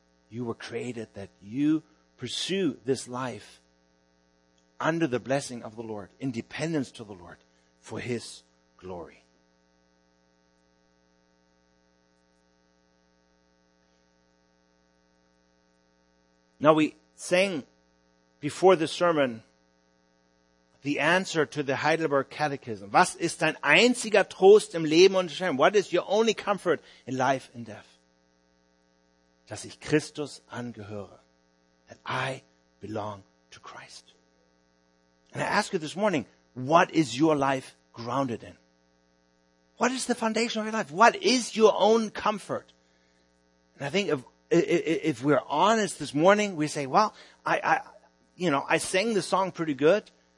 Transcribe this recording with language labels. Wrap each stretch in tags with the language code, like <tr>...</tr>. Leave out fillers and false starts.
<en>You were created that you pursue this life under the blessing of the Lord, in dependence to the Lord, for his glory. Now we sang before the sermon the answer to the Heidelberg Catechism.</en> <de>Was ist dein einziger Trost im Leben und Sterben?</de> <en>What is your only comfort in life and death?</en> <de>Dass ich Christus angehöre.</de> <en>That I belong to Christ. And I ask you this morning, what is your life grounded in? What is the foundation of your life? What is your own comfort? And I think if we're honest this morning, we say, well, I sang the song pretty good.</en>